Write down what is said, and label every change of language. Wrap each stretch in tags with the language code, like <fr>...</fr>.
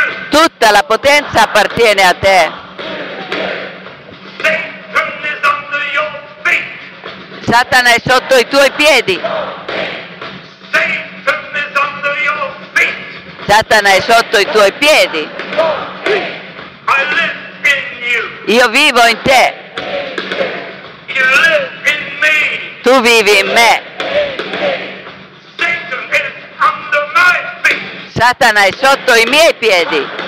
<it>Tutta la potenza appartiene a te.</it> <en>Satan is under your feet.</en> <it>Satana è sotto i tuoi piedi.</it> <en>Satan is under your feet.</en> <it>Satana è sotto i tuoi piedi.</it> <en>I live in you.</en> <it>Io vivo in te.</it> <en>You live in me.</en> <it>Tu vivi in me.</it> <en>Satan is under my feet.</en> <it>Satana è sotto i miei piedi.</it>